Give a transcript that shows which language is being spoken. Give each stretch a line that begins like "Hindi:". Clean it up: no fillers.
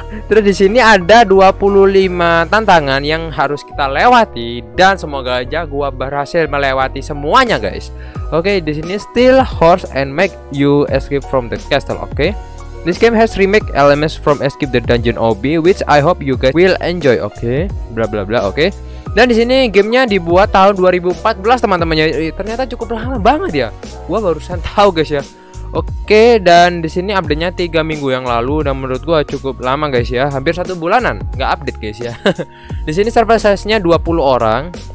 Indonesian: Terus di sini ada 25 tantangan yang harus kita lewati, dan semoga aja gua berhasil melewati semuanya guys.
English: Oke,
Indonesian: di sini
English: steal horse and make you escape from the castle. Oke, this game has remake elements from Escape the Dungeon Obby, which I hope you guys will enjoy. Oke, bla bla bla. Oke.
Indonesian: Dan di sini gamenya dibuat tahun 2014 teman-temannya. Ternyata cukup lama banget ya. Gua barusan tahu guys ya. Oke, dan di sini update-nya 3 minggu yang lalu, dan menurut gua cukup lama guys ya. Hampir 1 bulanan nggak update guys ya. Di sini server size-nya 20 orang.